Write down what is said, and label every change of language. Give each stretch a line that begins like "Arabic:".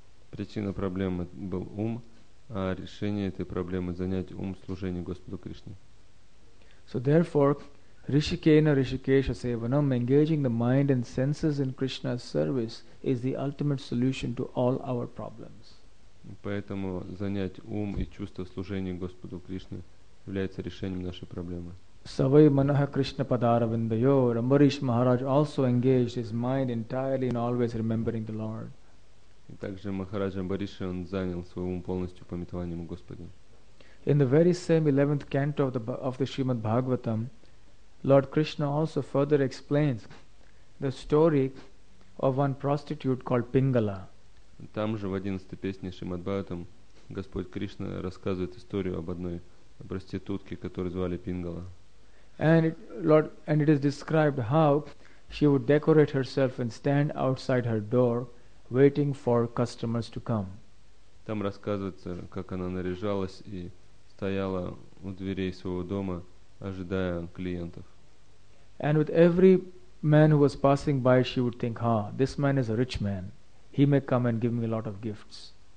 Russian: Причина проблемы был ум, а решение этой проблемы – занять ум в служении Господу Кришне.
English: So therefore,
Sanskrit: Rishikena Rishikesha Sevanam,
English: engaging the mind and senses in Krishna's service, is the ultimate solution to all our problems.
Russian: Поэтому занять ум и чувство служения Господу Кришне является решением нашей проблемы.
Sanskrit: Савай Манаха Кришна Падаравиндайо,
English: Рамбариш Махарадж also engaged his mind entirely in always remembering the Lord.
Russian: И также Махарадж Амбариш, он занял свой ум полностью памятованием Господа.
English: In the very same 11th canto of the Srimad Bhagavatam, Lord Krishna also further explains the story of one prostitute called Pingala.
Russian: Там же в 11-й песне Шримад-Бхагаватам Господь Кришна рассказывает историю об одной проститутке, которую звали Пингала.
English: And it is described how she would decorate herself and stand outside her door waiting for customers to come.
Russian: Там рассказывается, как она наряжалась и стояла у дверей своего дома, ожидая клиентов.
English: And with every man who was passing by, she would think, "Ha, this man is a rich man. He may come and give me a lot of gifts."